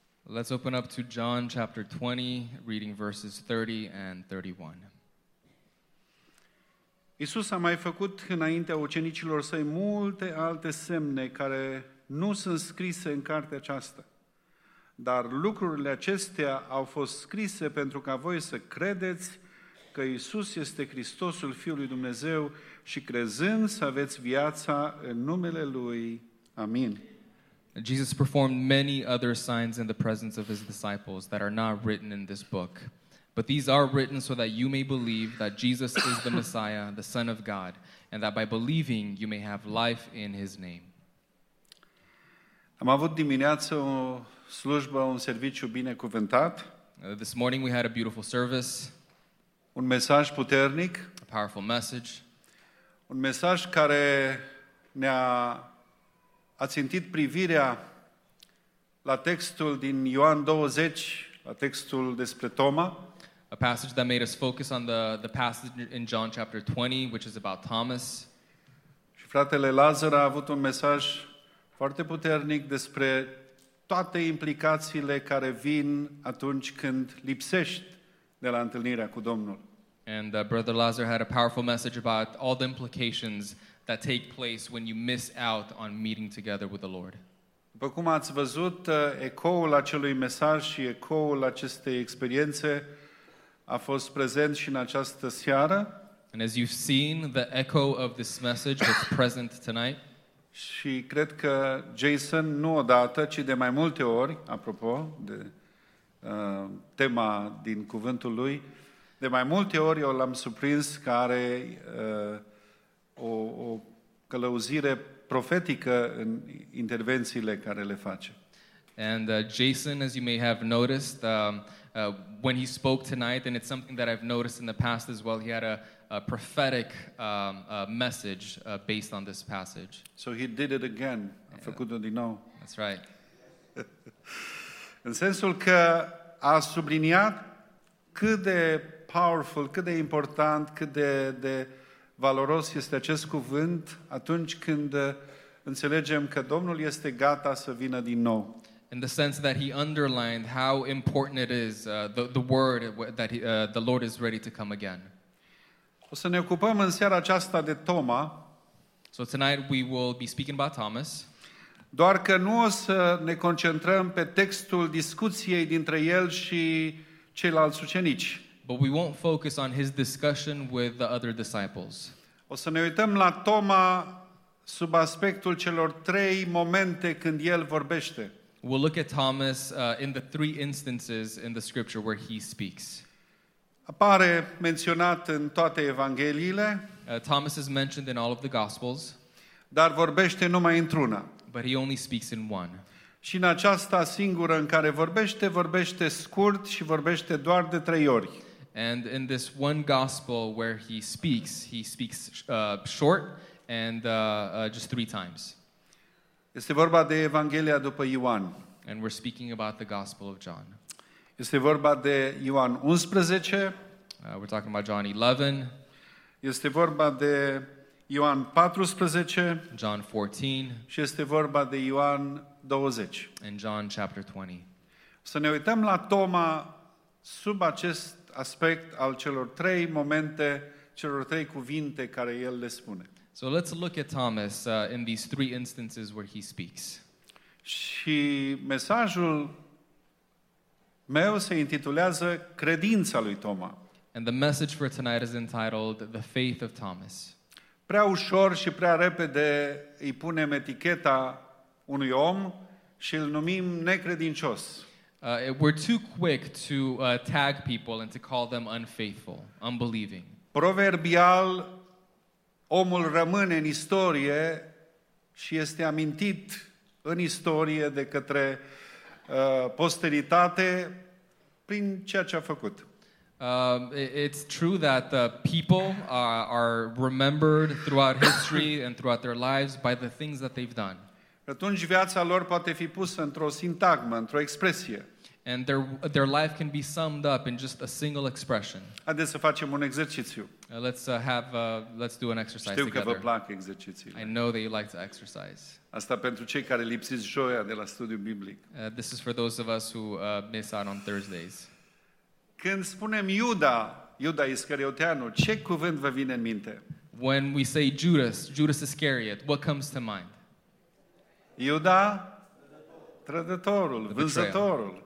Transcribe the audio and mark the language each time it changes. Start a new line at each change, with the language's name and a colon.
English: Let's open up to John chapter 20, reading verses 30 and 31.
Romanian: Iisus a mai făcut înaintea ucenicilor săi multe alte semne care nu sunt scrise în cartea aceasta. Dar lucrurile acestea au fost scrise pentru ca voi să credeți că Iisus este Hristosul, Fiul lui Dumnezeu, și crezând să aveți viața în numele Lui. Amin.
English: Jesus performed many other signs in the presence of his disciples that are not written in this book. But these are written so that you may believe that Jesus is the Messiah, the Son of God, and that by believing you may have life in his name.
Romanian: Am avut dimineață o slujbă, un serviciu binecuvântat.
English: This morning we had a beautiful service.
Romanian: Un mesaj puternic.
English: A powerful message.
Romanian: Un mesaj care ne-a ațintit privirea la textul din Ioan 20, la textul despre Toma.
English: A passage that made us focus on the passage in John chapter 20, which is about Thomas.
Romanian: Și fratele Lazar a avut un mesaj foarte puternic despre toate implicațiile care vin atunci când lipsești de la întâlnirea cu Domnul.
English: And Brother Lazar had a powerful message about all the implications that take place when you miss out on meeting together with the Lord.
Romanian: După cum ați văzut, ecoul acelui mesaj și ecoul acestei experiențe a fost prezent și în această seară.
English: And as you've seen, the echo of this message was present tonight.
Romanian: Și cred că Jason, nu odată, ci de mai multe ori, apropo de tema din cuvântul lui, de mai multe ori eu l-am surprins că are o călăuzire profetică în intervențiile care le face.
English: And Jason, as you may have noticed, when he spoke tonight, and it's something that I've noticed in the past as well, he had a prophetic message based on this passage. So he did it again.
Romanian: A făcut-o din nou.
English: That's right.
Romanian: În sensul că a subliniat cât de powerful, cât de important, cât de valoros este acest cuvânt atunci când înțelegem că Domnul este gata să vină din nou.
English: In the sense that he underlined how important it is the word that the Lord is ready to come again.
Romanian: O să ne ocupăm în seara aceasta de Toma.
English: So tonight we will be speaking about Thomas.
Romanian: Doar că nu o să ne concentrăm pe textul discuției dintre el și ceilalți ucenici.
English: But we won't focus on his discussion with the other disciples.
Romanian: O să ne uităm la Toma sub aspectul celor trei momente când el vorbește.
English: We'll look at Thomas in the three instances in the scripture where he speaks.
Romanian: Apare menționat în toate evangheliile.
English: Thomas is mentioned in all of the gospels.
Romanian: Dar vorbește numai într-una.
English: But he only speaks in one.
Romanian: Și în aceasta singură în care vorbește, vorbește scurt și vorbește doar de trei ori.
English: And in this one gospel where he speaks short and just three times.
Romanian: Este vorba de Evanghelia după Ioan.
English: And we're speaking about the gospel of John.
Romanian: Este vorba de Ioan 11.
English: We're talking about John 11.
Romanian: Este vorba de Ioan 14.
English: John 14.
Romanian: Și este vorba de Ioan 20.
English: And John chapter 20.
Romanian: Să ne uităm la Toma sub acest aspect al celor trei momente, celor trei cuvinte care el le spune.
English: So let's look at Thomas in these three instances where he speaks.
Romanian: Și mesajul meu se intitulează Credința lui Toma.
English: And the message for tonight is entitled The Faith of Thomas.
Romanian: Prea ușor și prea repede îi punem eticheta unui om și îl numim necredincios.
English: We're too quick to tag people and to call them unfaithful, unbelieving.
Romanian: Proverbial, omul rămâne în istorie și este amintit în istorie de către posteritate prin ceea ce a făcut.
English: It's true that people are remembered throughout history and throughout their lives by the things that they've done.
Romanian: Atunci viața lor poate fi pusă într-o sintagmă, într-o expresie.
English: And their life can be summed up in just a single expression.
Romanian: Haideți să facem un exercițiu.
English: Let's do an exercise together.
Romanian: Știu că vă plac exercițiile.
English: I know that you like to exercise.
Romanian: Asta pentru cei care lipsiți joia de la studiu biblic.
English: This is for those of us who miss out on Thursdays.
Romanian: Când spunem Iuda, Iuda Iscarioteanu, ce cuvânt vă vine în minte?
English: When we say Judas, Judas Iscariot, what comes to mind?
Romanian: Iuda, trădătorul, vânzătorul.